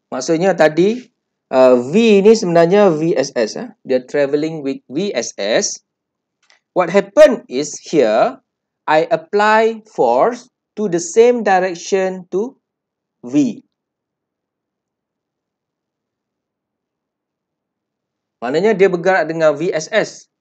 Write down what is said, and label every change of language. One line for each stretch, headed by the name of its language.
Malay: Maksudnya tadi V ini sebenarnya VSS.
English: Dia traveling with VSS. What happened is here, I apply force to the same direction to V.
Malay: Maknanya dia bergerak dengan VSS.